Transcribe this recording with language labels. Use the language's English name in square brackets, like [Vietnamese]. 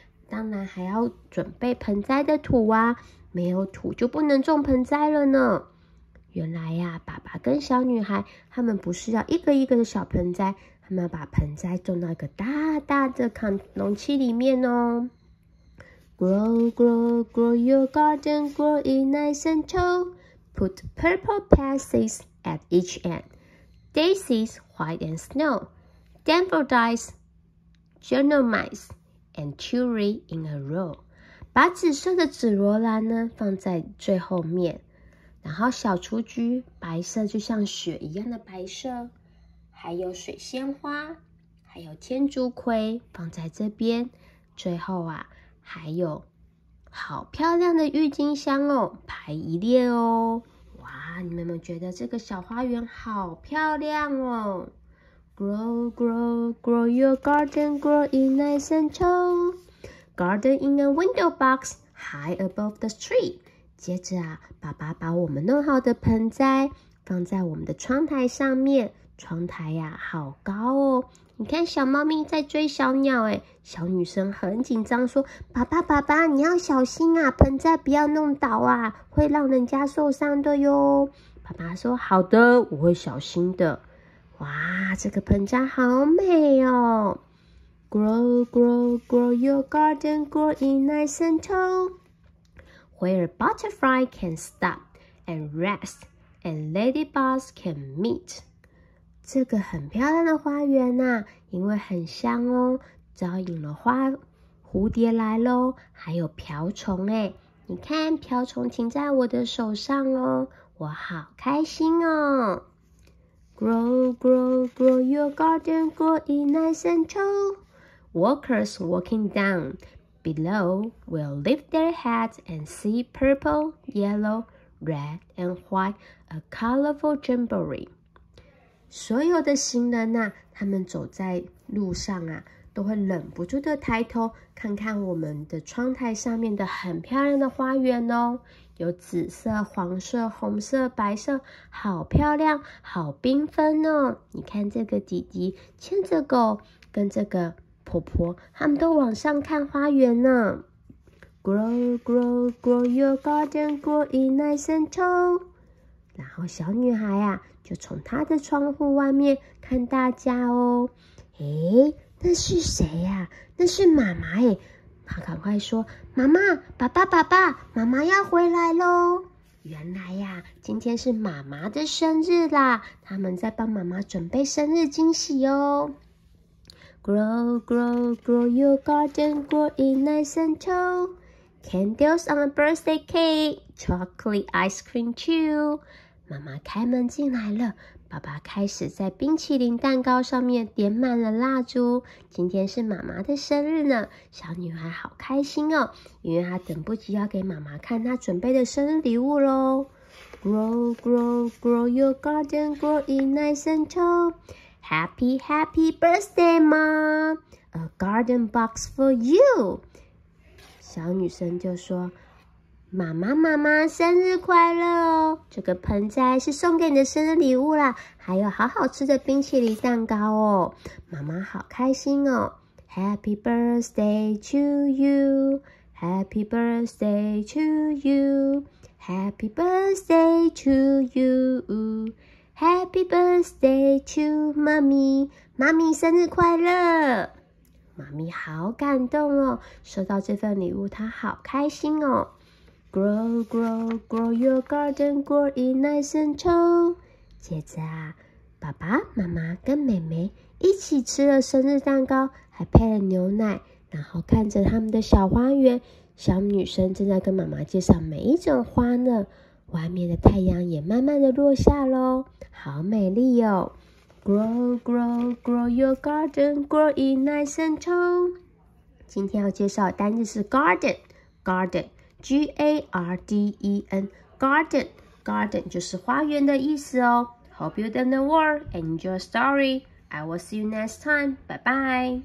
[Chinese] 当然还要准备盆栽的土啊，没有土就不能种盆栽了呢。原来呀，爸爸跟小女孩他们不是要一个一个的小盆栽，我们把盆栽种到一个大大的容器里面哦。 [English] Grow, grow, grow your garden, grow it nice and tall. Put purple pansies at each end. Daisies, white and snow. Daffodils, gentlemen, and cherry in a row. [Chinese] 把紫色的紫罗兰呢放在最后面，然后小雏菊，白色就像雪一样的白色。还有水仙花，还有天竺葵放在这边，最后啊，还有好漂亮的郁金香哦，排一列哦，哇，你们有没有觉得这个小花园好漂亮哦？ [English] Grow, grow, grow your garden, grow in nice and tall. Garden in a window box, high above the tree. [Chinese] 接着啊，爸爸把我们弄好的盆栽放在我们的窗台上面。窗台呀，好高哦！你看，小猫咪在追小鸟，哎，小女生很紧张，说：“爸爸，爸爸，你要小心啊，盆栽不要弄倒啊，会让人家受伤的哟。” 爸爸说：“好的，我会小心的。” 哇，这个盆栽好美哦 [English] ！Grow, grow, grow your garden, grow in nice and tall. Where butterfly can stop and rest, and ladybugs can meet. [Chinese] 这个很漂亮的花园呐、啊，因为很香哦，招引了花蝴蝶来咯，还有瓢虫哎，你看瓢虫停在我的手上哦，我好开心哦。 [English] Grow, grow, grow your garden, grow in nice and tall. Workers walking down below will lift their heads and see purple, yellow, red and white, a colorful jamboree. [Chinese] 所有的行人啊，他们走在路上啊，都会忍不住的抬头看看我们的窗台上面的很漂亮的花园哦，有紫色、黄色、红色、白色，好漂亮，好缤纷哦。你看这个弟弟牵着狗，跟这个婆婆，他们都往上看花园呢。 [English] Grow, grow, grow your garden, grow in nice and tall. [Chinese] 然后小女孩啊，就从她的窗户外面看大家哦。诶，那是谁呀、啊？那是妈妈诶。她赶快说：“妈妈，爸爸，爸爸，妈妈要回来咯。” 原来呀、啊，今天是妈妈的生日啦，他们在帮妈妈准备生日惊喜哦。 [English] Grow, grow, grow your garden, grow in nice and tall. Candles on a birthday cake, chocolate ice cream too. [Chinese] 妈妈开门进来了，爸爸开始在冰淇淋蛋糕上面点满了蜡烛。今天是妈妈的生日呢，小女孩好开心哦，因为她等不及要给妈妈看她准备的生日礼物咯。 [English] Grow, grow, grow your garden, grow in nice and tall. Happy, happy birthday, Mom. A garden box for you. [Chinese] 小女生就说：“妈妈，妈妈，生日快乐哦！这个盆栽是送给你的生日礼物啦，还有好好吃的冰淇淋蛋糕哦。妈妈好开心哦 [English] ！Happy birthday to you, Happy birthday to you, Happy birthday to you, Happy birthday to mommy, [Chinese] mommy 生日快乐！” 妈咪好感动哦，收到这份礼物她好开心哦。 [English] Grow, grow, grow your garden, grow in nice and tall. [Chinese] 接着啊，爸爸妈妈跟妹妹一起吃了生日蛋糕，还配了牛奶，然后看着他们的小花园，小女生正在跟妈妈介绍每一种花呢。外面的太阳也慢慢的落下咯，好美丽哦。 [English] Grow, grow, grow your garden, grow in nice and tall. [Chinese] 今天要介绍的单字是 garden, garden, G-A-R-D-E-N, garden, garden 就是花园的意思哦。 [English] Hope you don't know the word, enjoy your story. I will see you next time. Bye bye.